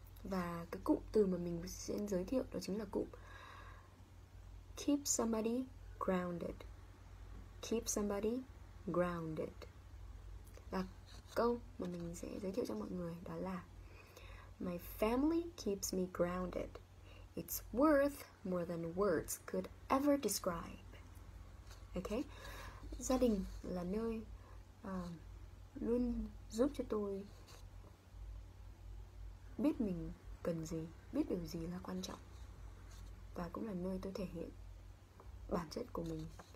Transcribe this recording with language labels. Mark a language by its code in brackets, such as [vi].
[vi] Và cái cụm từ mà mình sẽ giới thiệu đó chính là cụm [en] keep somebody grounded. Keep somebody grounded. [vi] Và câu mà mình sẽ giới thiệu cho mọi người đó là [en] My family keeps me grounded. It's worth more than words could ever describe. [vi] Ok, gia đình là nơi luôn giúp cho tôi biết mình cần gì, biết điều gì là quan trọng, và cũng là nơi tôi thể hiện bản chất của mình.